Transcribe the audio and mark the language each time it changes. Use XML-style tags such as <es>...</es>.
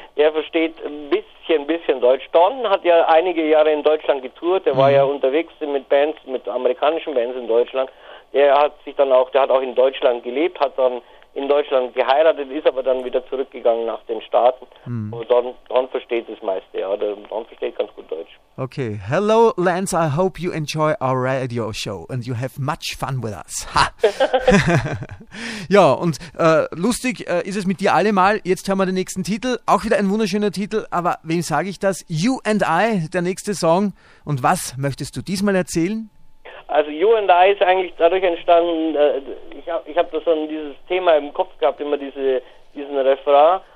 <de>Er versteht ein bisschen Deutsch. Don hat ja einige Jahre in Deutschland getourt. Der war ja unterwegs mit Bands, mit amerikanischen Bands in Deutschland. Der hat auch in Deutschland gelebt, hat dann in Deutschland geheiratet, ist aber dann wieder zurückgegangen nach den Staaten. Don versteht das meiste, ja. Don versteht ganz gut Deutsch.</de> <en>Okay. Hello, Lance. I hope you enjoy our radio show and you have much fun with us. Ha!</en> <de>Ja, und lustig ist es mit dir allemal. Jetzt hören wir den nächsten Titel. Auch wieder ein wunderschöner Titel, aber wem sage ich das? You and I, der nächste Song. Und was möchtest du diesmal erzählen? Also You and I ist eigentlich dadurch entstanden, ich hab da so dieses Thema im Kopf gehabt, immer diesen Refrain.</de>